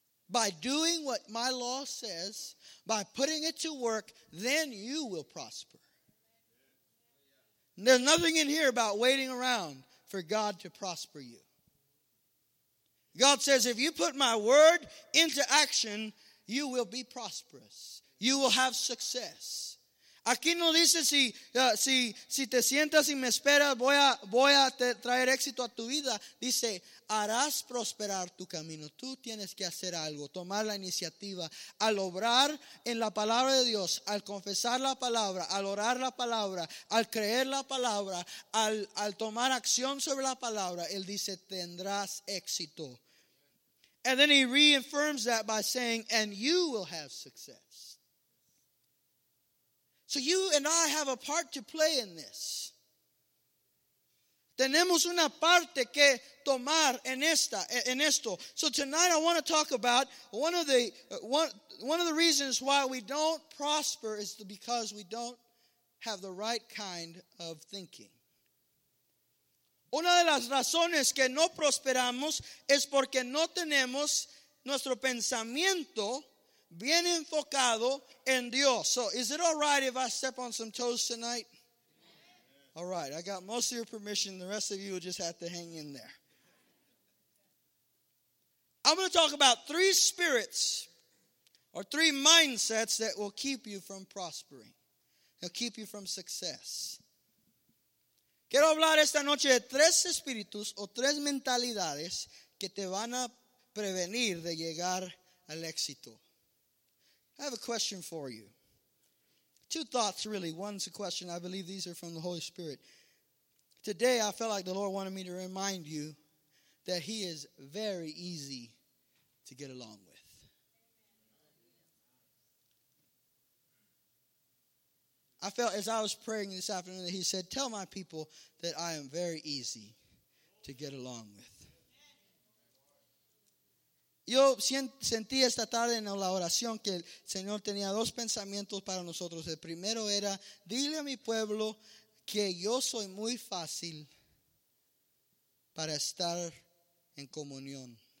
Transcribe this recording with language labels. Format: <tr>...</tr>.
<en>By doing what my law says, by putting it to work, then you will prosper. There's nothing in here about waiting around for God to prosper you. God says, if you put my word into action, you will be prosperous. You will have success.</en> <es>Aquí no dice si te sientas y me esperas, voy a traer éxito a tu vida. Dice, harás prosperar tu camino. Tú tienes que hacer algo, tomar la iniciativa. Al obrar en la palabra de Dios, al confesar la palabra, al orar la palabra, al creer la palabra, al tomar acción sobre la palabra, Él dice, tendrás éxito.</es> <en>And then He reaffirms that by saying, and you will have success. So you and I have a part to play in this.</en> <es>Tenemos una parte que tomar en esto.</es> <en>So tonight I want to talk about one of the reasons why we don't prosper is because we don't have the right kind of thinking.</en> <es>Una de las razones que no prosperamos es porque no tenemos nuestro pensamiento bien enfocado en Dios.</es> <en>So is it all right if I step on some toes tonight? All right, I got most of your permission. The rest of you will just have to hang in there. I'm going to talk about three spirits or three mindsets that will keep you from prospering. He'll keep you from success.</en> <es>Quiero hablar esta noche de tres espíritus o tres mentalidades que te van a prevenir de llegar al éxito.</es> <en>I have a question for you. Two thoughts, really. One's a question. I believe these are from the Holy Spirit. Today, I felt like the Lord wanted me to remind you that He is very easy to get along with. I felt as I was praying this afternoon that He said, tell my people that I am very easy to get along with.</en> <es>Yo sentí esta tarde en la oración que el Señor tenía dos pensamientos para nosotros. El primero era, dile a mi pueblo que yo soy muy fácil para estar en comunión.</es>